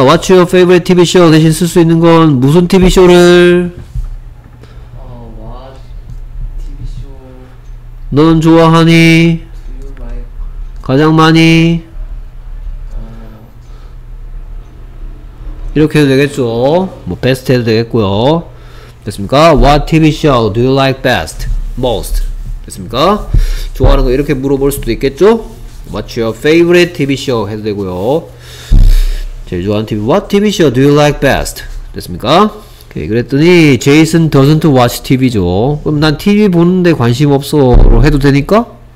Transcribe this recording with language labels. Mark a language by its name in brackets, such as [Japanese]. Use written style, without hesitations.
[English] what's your favorite TV show [Korean] 대신 쓸 수 있는 건 무슨 TV 쇼를 [English] what TV show [Korean] 넌 좋아하니? [English] like [Korean] 가장 많이 이렇게 해도 되겠죠. 뭐 best 해도 되겠고요. 됐습니까? [English] what TV show do you like best most [Korean] 됐습니까? 좋아하는 거 이렇게 물어볼 수도 있겠죠. [English] What's your favorite TV show? [Korean] 해도 되고요. 제일 좋아하는 TV. [English] What TV show do you like best? [Korean] 됐습니까? 오케이. 그랬더니 [English] Jason doesn't watch TV죠. [Korean] 그럼 난 TV 보는데 관심 없어로 해도 되니까?